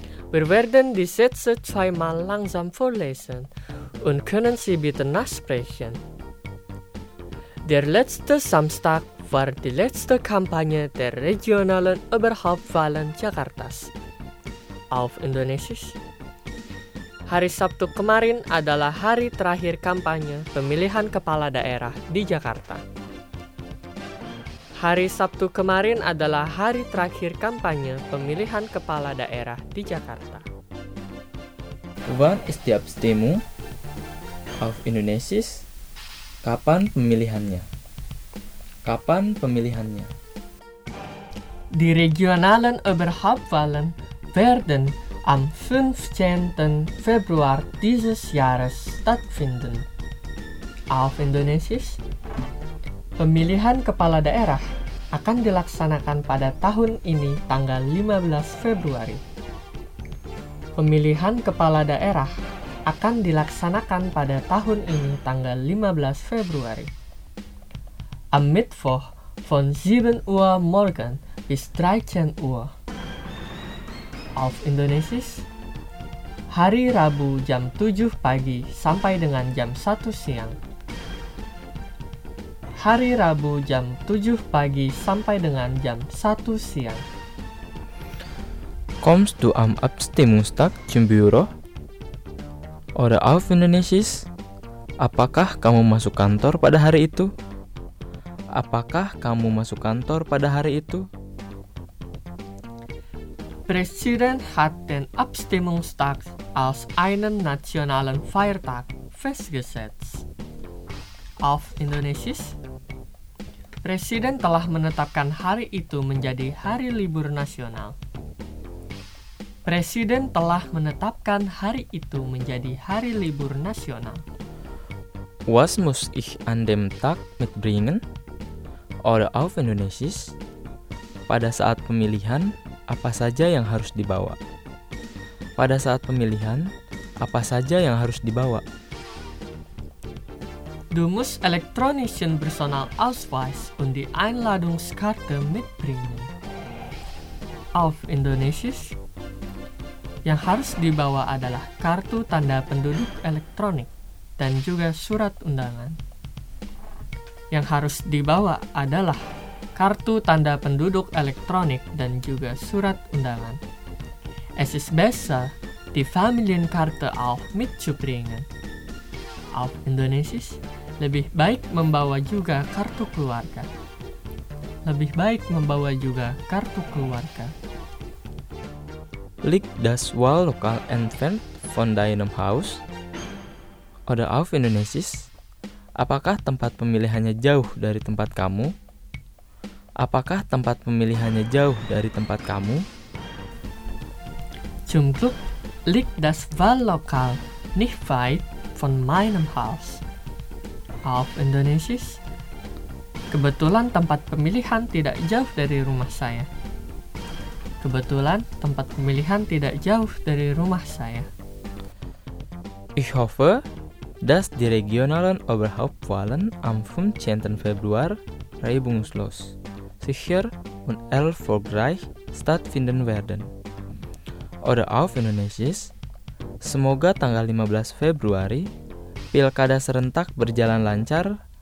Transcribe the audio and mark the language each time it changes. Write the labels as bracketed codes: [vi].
[de] Wir werden die Sätze zweimal langsam vorlesen und können Sie bitte nachsprechen. Der letzte Samstag war die letzte Kampagne der regionalen Oberhauptwahlen Jakartas. Auf Indonesisch. [id] Hari Sabtu kemarin adalah hari terakhir kampanye pemilihan kepala daerah di Jakarta. Hari Sabtu kemarin adalah hari terakhir kampanye pemilihan kepala daerah di Jakarta. [de] Wann ist die Abstimmung? Auf Indonesisch. [id] Kapan pemilihannya? Kapan pemilihannya? [de] Di regionalen Oberhauptwahlen werden am 15. Februar dieses Jahres stattfinden. Auf Indonesisch. [id] Pemilihan kepala daerah akan dilaksanakan pada tahun ini tanggal 15 Februari. Pemilihan kepala daerah akan dilaksanakan pada tahun ini tanggal 15 Februari. [de] Am Mittwoch von 7 Uhr morgen bis 13 Uhr. Auf Indonesisch. [id] Hari Rabu jam 7 pagi sampai dengan jam 1 siang. Hari Rabu jam 7 pagi sampai dengan jam 1 siang. [de] Kommst du am Abstimmungstag zum Büro? Oder auf Indonesisch. [id] Apakah kamu masuk kantor pada hari itu? Apakah kamu masuk kantor pada hari itu? [de] Präsident hat den Abstimmungstag als einen nationalen Feiertag festgesetzt. Auf Indonesisch. [id] Presiden telah menetapkan hari itu menjadi hari libur nasional. Presiden telah menetapkan hari itu menjadi hari libur nasional. [de] Was muss ich an dem Tag mitbringen? Oder auf Indonesisch. [id] Pada saat pemilihan, apa saja yang harus dibawa? Pada saat pemilihan, apa saja yang harus dibawa? [de] Du musst elektronischen Personalausweis und die Einladungskarte mitbringen. Auf Indonesisch. [id] Yang harus dibawa adalah kartu tanda penduduk elektronik dan juga surat undangan. Yang harus dibawa adalah kartu tanda penduduk elektronik dan juga surat undangan. [de] Es ist besser, die Familienkarte auch mitzubringen. Auf Indonesisch, [id] lebih baik membawa juga kartu keluarga. Lebih baik membawa juga kartu keluarga. [de] Liegt das Wahllokal entfernt von deinem Haus? Oder auf Indonesisch, [id] apakah tempat pemilihannya jauh dari tempat kamu? Apakah tempat pemilihannya jauh dari tempat kamu? [de] Zum Glück liegt das Wahllokal nicht weit von meinem Haus. Auf Indonesisch. [id] Kebetulan tempat pemilihan tidak jauh dari rumah saya. Kebetulan tempat pemilihan tidak jauh dari rumah saya. [de] Ich hoffe, dass die regionalen Oberhauptwahlen am 15. Februar reibungslos, sicher und erfolgreich stattfinden werden. Oder auf Indonesisch. [id] Semoga tanggal 15 Februari Pilkada serentak berjalan lancar,